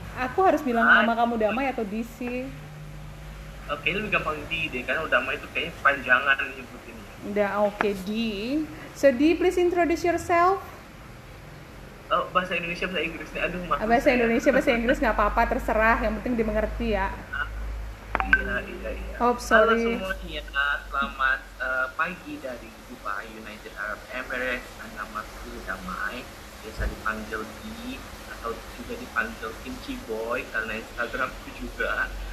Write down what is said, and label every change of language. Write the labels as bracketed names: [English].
[Indonesian] Aku harus bilang nama kamu Damai atau DC? Oke, lebih gampang D deh, karena Damai itu kayaknya panjangan nyebutinnya. Oke, D. [English] So, D, please introduce yourself. [Indonesian] Bahasa Indonesia, bahasa Inggris nih, aduh maaf. Bahasa Indonesia, bahasa Inggris gak apa-apa, terserah, yang penting dimengerti ya. Iya. [English] Oh, sorry. [Indonesian] Halo semuanya, selamat pagi dari Dubai, United Arab Emirates. Namaku Damai, biasa dipanggil D, atau juga dipanggil Kimchi Boy, karena Instagramku juga.